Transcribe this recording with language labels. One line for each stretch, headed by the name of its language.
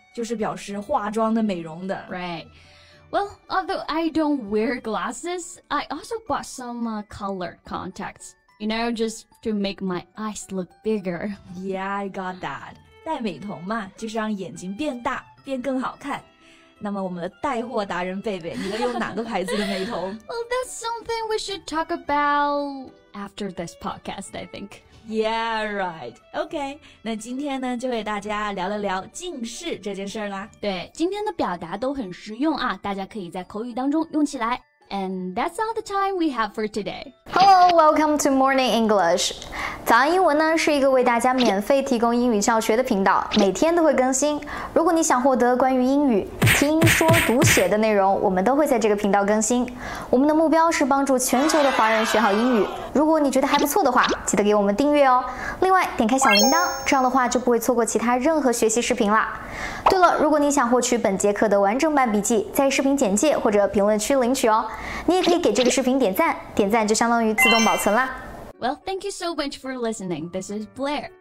Chinese: 就是表示化妆的美容的
English: Right Well, although I don't wear glasses I also bought some color contacts You know, just to make my eyes look bigger Yeah, I got that
Chinese: 戴美瞳嘛就是让眼睛变大变更好看那么我们的带货达人贝贝你都用哪个牌子的美瞳
English: Well, that's something we should talk about after this podcast, I think Yeah, right.
Chinese: Okay, 那今天呢就给大家聊了聊近视这件事啦。对，今天的表达都很实用啊，大家可以在口语当中用起来。
English: And that's all the time we have for today. Hello, welcome to Morning English.
Chinese: 早安英文呢是一个为大家免费提供英语教学的频道，每天都会更新。如果你想获得关于英语拼音说读写的内容，我们都会在这个频道更新。我们的目标是帮助全球的华人学好英语。如果你觉得还不错的话，记得给我们订阅哦。另外，点开小铃铛，这样的话就不会错过其他任何学习视频了。对了，如果你想获取本节课的完整版笔记，在视频简介或者评论区领取哦。你也可以给这个视频点赞，点赞就相当于自动保存啦。
English: Well, thank you so much for listening. This is Blair.